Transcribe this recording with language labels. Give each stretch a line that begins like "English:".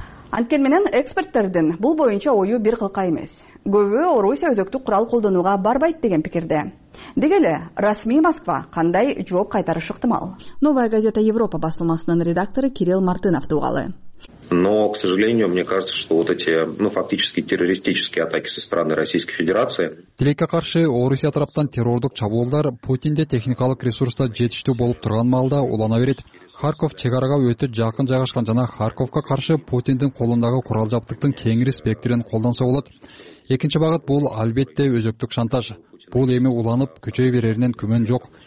Kyrgyz: Анткени менен эксперттердин бул боюнча ою бир кылка эмес. Көбү Орусия өзөктүк курал колдонууга барбайт деген пикирде. Деги эле расмий Москва кандай жооп кайтарышы ыктымал? Новая газета Европа басылмасынын редактору Кирилл Мартынов дубалы.
Russian: Но, к сожалению, мне кажется, что вот эти, ну, фактически террористические атаки со стороны Российской Федерации.
Kyrgyz: Тилекке каршы Орусия тараптан террордук чабуулдар Путинде техникалык ресурста жетиштүү болуп турган маалда улана берет. Харков чек арага өтө жакын жайгашкан жана Харковко каршы Путиндин колундагы курал жабдыктын кеңири спектрин колдонсо болот. Экинчи багыт бул албетте өзөктүк шантаж. Бул эми уланып күчөй берэринен күмөн жок.